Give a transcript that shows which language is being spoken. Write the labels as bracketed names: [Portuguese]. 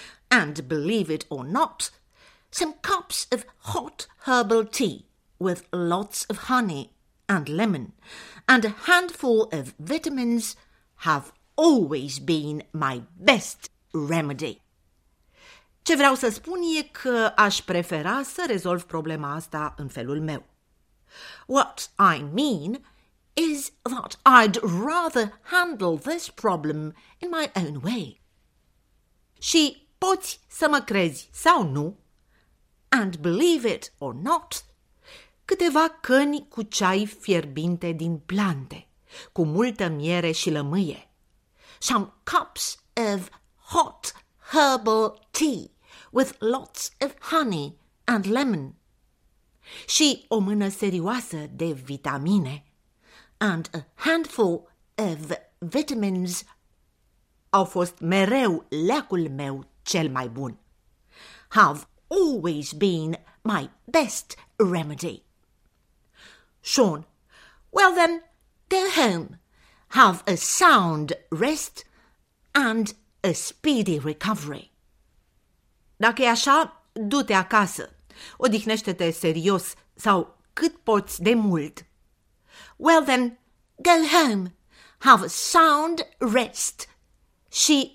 [English] And believe it or not, some cups of hot herbal tea with lots of honey and lemon and a handful of vitamins have always been my best remedy. [Romanian] Ce vreau să spun e că aș prefera să rezolv problema asta în felul meu. [English] What I mean is that I'd rather handle this problem in my own way. [Romanian] Și poți să mă crezi sau nu, [English] and believe it or not, [Romanian] câteva căni cu ceai fierbinte din plante, cu multă miere și lămâie. [English] Some cups of hot herbal tea with lots of honey and lemon. [Romanian] Și o mână serioasă de vitamine. [English] And a handful of vitamins. [Romanian] Au fost mereu leacul meu cel mai bun. [English] have always been my best remedy. Sean, well then, go home, have a sound rest and a speedy recovery. [Romanian] Dacă e așa, du-te acasă, odihnește-te serios sau cât poți de mult. [English] Well then, go home, have a sound rest și